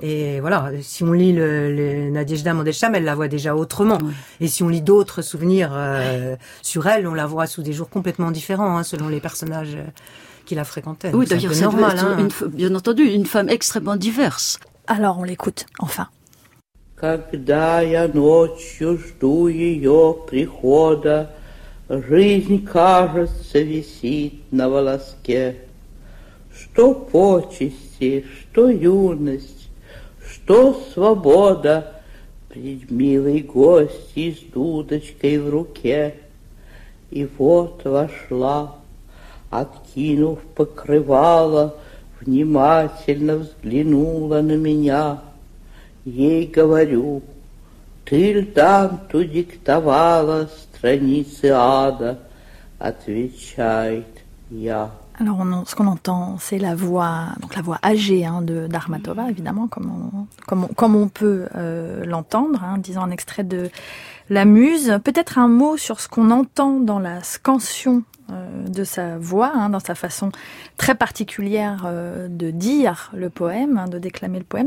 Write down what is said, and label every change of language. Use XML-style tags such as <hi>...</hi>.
<fr>Et voilà, si on lit le Nadejda Mandelstam, elle la voit déjà autrement. Oui. Et si on lit d'autres souvenirs sur elle, on la voit sous des jours complètement différents, hein, selon les personnages qui la fréquentaient. Oui, d'ailleurs, c'est normal. Bien entendu, une femme extrêmement diverse. Alors, on l'écoute, enfin.</fr> <ru>Когда я ночью жду ее прихода, жизнь, кажется, висит на волоске. Что почести, что юность, что свобода пред милой гостьей с дудочкой в руке. И вот вошла, откинув покрывало, внимательно взглянула на меня. Ей говорю, ты льданту диктовала страницы ада, отвечает я.</ru> <fr>Alors, ce qu'on entend, c'est la voix, donc la voix âgée, hein, d'Akhmatova, évidemment, comme on peut l'entendre, hein, disons un extrait de La Muse. Peut-être un mot sur ce qu'on entend dans la scansion de sa voix, hein, dans sa façon très particulière de dire le poème, hein, de déclamer le poème.</fr>